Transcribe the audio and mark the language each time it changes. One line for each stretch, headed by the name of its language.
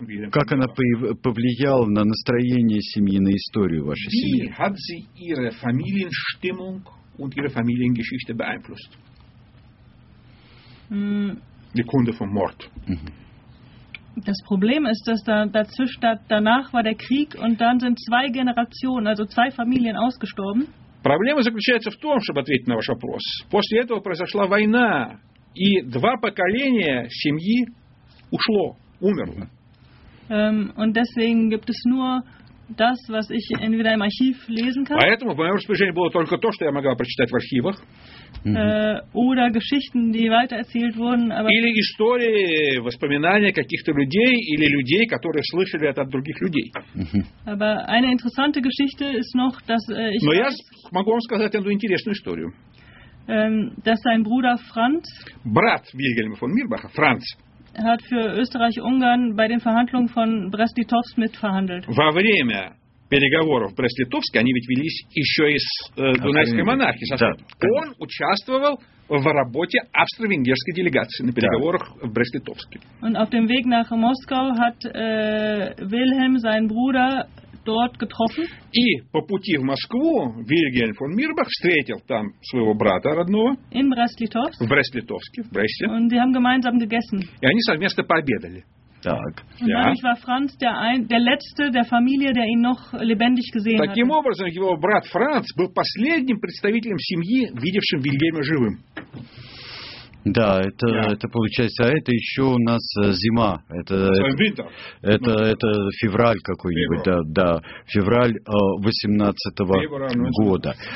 Russian: Как она повлияла на настроение семьи, на историю вашей семьи?
German: Wie hat sie ihre Familienstimmung und ihre Familiengeschichte beeinflusst? Die Kunde vom Mord. Das Problem ist, dass danach war der Krieg und dann sind zwei Generationen, also zwei Familien ausgestorben.
Russian: Проблема заключается в том, чтобы ответить на ваш вопрос. После этого произошла война, и два поколения семьи ушло, умерло.
German: Und deswegen gibt es nur das, was ich entweder im Archiv lesen kann.
Russian: Поэтому в моем распоряжении было только то, что я могла прочитать в архивах.
German: Oder Geschichten, die weitererzählt wurden, aber
Russian: или истории, воспоминания каких-то людей или людей, которые слышали это от других людей.
German: Aber eine interessante Geschichte ist noch, dass ich
Russian: Но
German: weiß,
Russian: я могу вам сказать одну интересную историю.
German: Dass sein Bruder Franz
Russian: Брат Вильгельма фон Мирбаха, Франц
German: hat für Österreich-Ungarn bei den Verhandlungen von Brest-Litovsk mitverhandelt.
Russian: Во время переговоров в Брест-Литовске, они ведь велись еще и с Дунайской монархией. Да, он участвовал в работе австро-венгерской делегации на переговорах в Брест-Литовске.
German: Und auf dem Weg nach Moskau hat Wilhelm seinen Bruder dort getroffen.
Russian: И по пути в Москву Вильгельм фон Мирбах встретил там своего брата родного.
German: In Brest-Litovsk.
Russian: В Брест-Литовске, в Бресте.
German: Und sie haben gemeinsam gegessen.
Russian: И они совместно пообедали. Так.
German: Und dadurch war Franz der letzte der Familie, der ihn noch lebendig gesehen hat.
Russian: Таким образом, его брат Франц был последним представителем семьи, видевшим Вильгельма живым. Да, это получается. А это еще у нас зима. Это февраль какой-нибудь. Да, да, февраль 18-го года.